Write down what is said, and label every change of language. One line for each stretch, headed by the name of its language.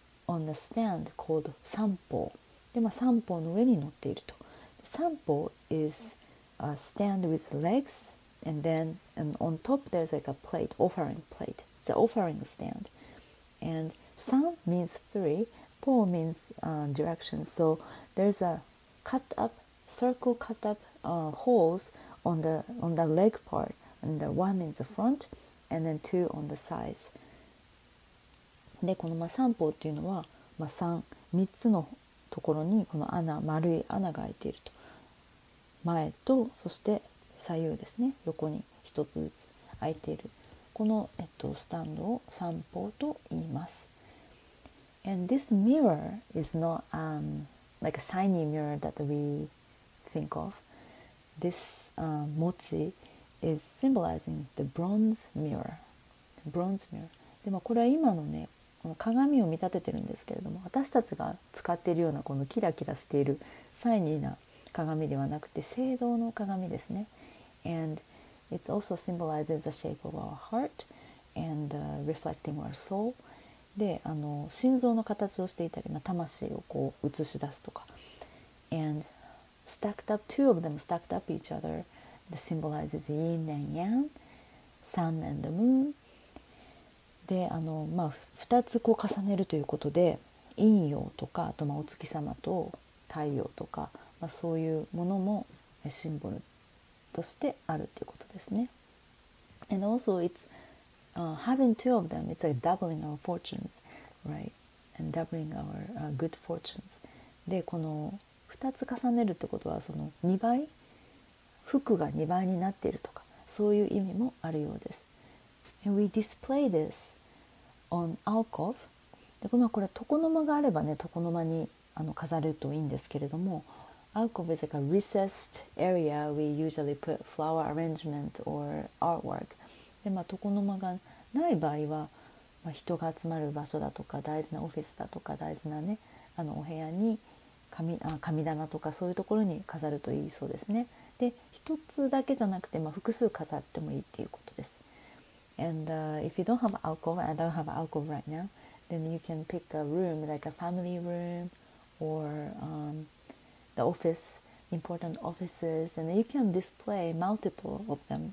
English: on the stand called 三宝。
Japanese: で、まあ、三宝の上に乗っていると。
English: 三宝 is a stand with legs, and then and on top there's like a plate, offering plate, the offering stand. And 三 means three, 宝 means direction. So there's a cut up, circle cut up holes on the leg part, and the one in the front, and then two on the sides.
Japanese: で、このまあ三宝っていうのは、まあ、三つのところにこの穴、丸い穴が開いていると。前と、そして左右ですね、横に一つずつ開いている。この、スタンドを三宝と言います。
English: And this mirror is not like a shiny mirror that we think of. This mochi is symbolizing the bronze mirror. Bronze mirror.
Japanese: でもこれは今のね、この鏡を見立ててるんですけれども、私たちが使っているようなこのキラキラしているシャイニーな鏡ではなくて青銅の鏡ですね。
English: And it also symbolizes the shape of our heart and reflecting our soul.
Japanese: で、あの心臓の形をしていたり、まあ、魂をこう映し出すとか。
English: And stacked up, two of them stacked up each other, that symbolizes yin and yang, sun and the moon.
Japanese: で、あの、まあ、2つこう重ねるということで陰陽とか、あと、まあ、お月様と太陽とか、まあ、そういうものもシンボルとしてあるということですね。
English: And also it's having two of them, it's like doubling our fortunes, right? And doubling our good fortunes.
Japanese: で、この2つ重ねるってことはその2倍、福が2倍になっているとか、そういう意味もあるようです。
English: And we display this on alcove.
Japanese: で、まあ、これ床の間があればね、床の間にあの飾るといいんですけれども、
English: alcove is like a recessed area we usually put flower arrangement or artwork.
Japanese: で、まあ、床の間がない場合は、まあ、人が集まる場所だとか、大事なオフィスだとか、大事なね、あのお部屋に神棚とかそういうところに飾るといいそうですね。で、一つだけじゃなくて、まあ、複数飾ってもいいっていうことです。
English: And if you don't have an alcove, I don't have an alcove right now, then you can pick a room, like a family room or the office, important offices, and you can display multiple of them.